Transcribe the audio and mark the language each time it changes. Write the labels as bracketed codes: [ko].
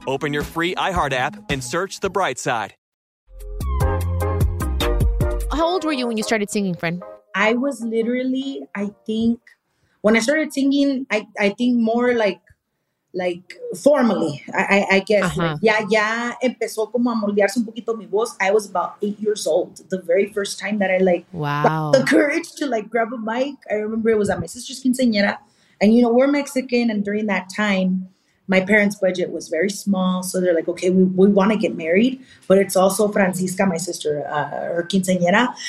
[en] Open your free iHeart app and search The Bright Side. How old were you when you started singing, friend? I was literally, I think, when I started singing, I think more like formally, I guess. Uh-huh. [es] Ya empezó como a moldearse un poquito mi voz. [en] I was about 8 years old, the very first time that I got the courage to grab a mic. I remember it was at my sister's quinceañera. And you know, we're Mexican. And during that time, my parents' budget was very small. So they're like, okay, we want to get married. But it's also Francisca, my sister, her quinceañera.